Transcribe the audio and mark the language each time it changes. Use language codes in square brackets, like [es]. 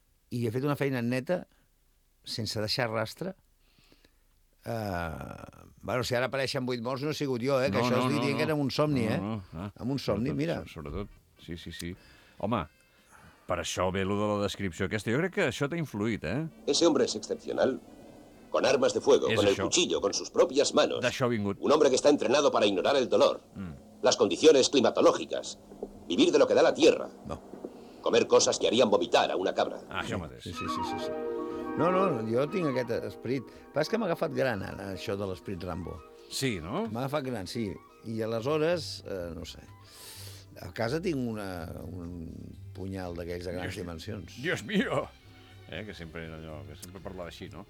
[ca] I he fet una feina neta, sense deixar rastre. Bueno, si ara apareixen 8 morts, no he sigut jo, que això diria que era un somni, Amb un somni, sobretot, mira. Sobretot, sí. Home, per això ve lo de la descripció aquesta. Jo crec que això t'ha influït, [es] Ese hombre es excepcional. Con armas de fuego, con el cuchillo, con sus propias manos. [ca] D'això ha vingut. [es] Un hombre que está entrenado para ignorar el dolor. Las condiciones climatológicas. Vivir de lo que da la tierra. No. Comer cosas que harían vomitar a una cabra. [ca] Això mateix. Sí. No, jo tinc aquest esperit. Però és que m'ha agafat gran ara, això de l'esperit Rambo. Sí, no? M'ha agafat gran, sí. I aleshores, no sé. A casa tinc una, un punyal d'aquells de grans dimensions. [es] Dios mío! [ca] Que sempre era allò, que sempre parlava així, no?